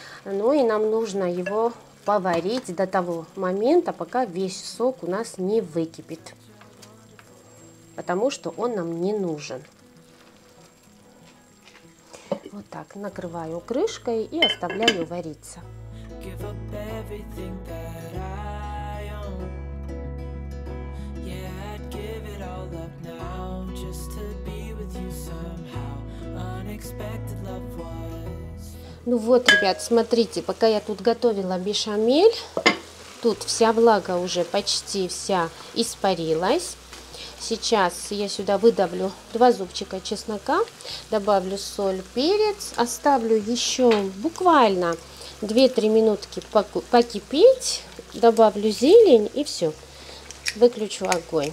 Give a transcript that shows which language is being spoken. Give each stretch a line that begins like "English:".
Russian: Ну и нам нужно его поварить до того момента, пока весь сок у нас не выкипит. Потому что он нам не нужен. Вот так, накрываю крышкой и оставляю вариться.
English: Give up everything that I own. Yeah, I'd give it all up now just to be with you somehow. Unexpected love was.
Russian: Ну вот, ребят, смотрите, пока я тут готовила бешамель, тут вся влага уже почти вся испарилась. Сейчас я сюда выдавлю 2 зубчика чеснока, добавлю соль, перец, оставлю еще буквально 2-3 минутки покипеть, добавлю зелень и все, выключу огонь.